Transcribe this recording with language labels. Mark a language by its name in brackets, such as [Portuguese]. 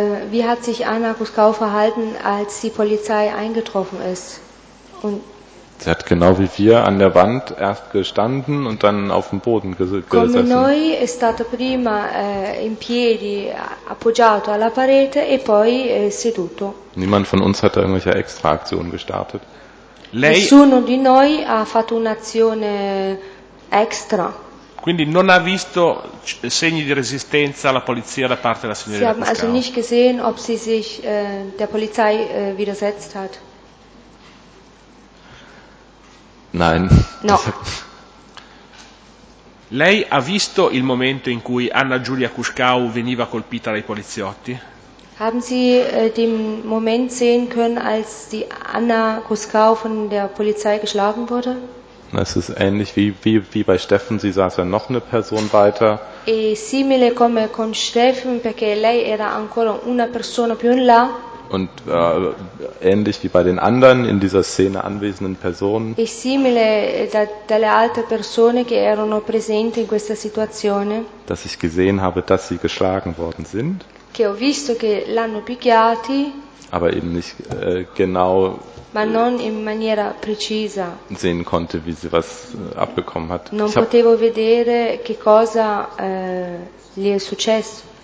[German] Wie hat sich Anna Cuscao verhalten, als die Polizei eingetroffen ist? Und sie hat genau wie wir an der Wand erst gestanden und dann auf dem Boden gesessen. [Italian] Come noi è stata prima in piedi, appoggiato alla parete e poi seduto. [German] Niemand von uns hat da irgendwelche Extraaktionen gestartet. [Italian] Lei, nessuno di noi ha fatto un'azione extra. Quindi non ha visto segni di resistenza alla polizia da parte della signorina Cuscao. [German] Sie haben also nicht gesehen, ob sie sich der Polizei widersetzt hat. Nein. [Italian] No. Lei ha visto il momento in cui Anna Giulia Cuscao veniva colpita dai poliziotti? [German] Haben Sie den Moment sehen können, als die Anna Cuscao von der Polizei geschlagen wurde? Es ist ähnlich wie bei Steffen, sie saß ja noch eine Person weiter. [Italian] E simile come con Steffen, perché lei era ancora una persona più in là. [German] Und ähnlich wie bei den anderen in dieser Szene anwesenden Personen. [Italian] E simile dalle altre persone che erano presenti in questa situazione. [German] Dass ich gesehen habe, dass sie geschlagen worden sind. [Italian] Che ho visto che l'hanno picchiati, [German] aber eben nicht, genau, [Italian] ma non in maniera precisa, [German] sehen konnte, wie sie was abbekommen hat. [Italian] Non [German] ich [Italian] potevo vedere che cosa gli è successo.